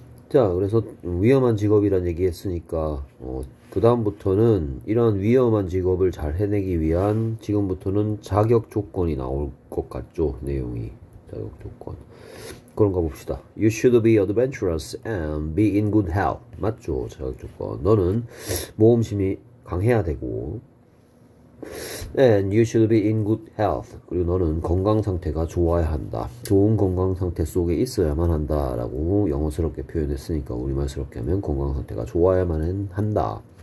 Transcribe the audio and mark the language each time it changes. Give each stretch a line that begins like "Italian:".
Korean: 자, 그래서 위험한 직업이란 얘기 했으니까 그다음부터는 이런 위험한 직업을 잘 해내기 위한 지금부터는 자격 조건이 나올 것 같죠, 내용이. 자격 조건. 그런가 봅시다.
English: You should be adventurous and be in good health.
Korean: 맞죠, 자격 조건. 너는 모험심이 강해야 되고.
English: And you should be in good health.
Korean: 그리고 너는 건강 상태가 좋아야 한다. 좋은 건강 상태 속에 있어야만 한다라고 영어스럽게 표현했으니까 우리말스럽게 하면 건강 상태가 좋아야만 한다.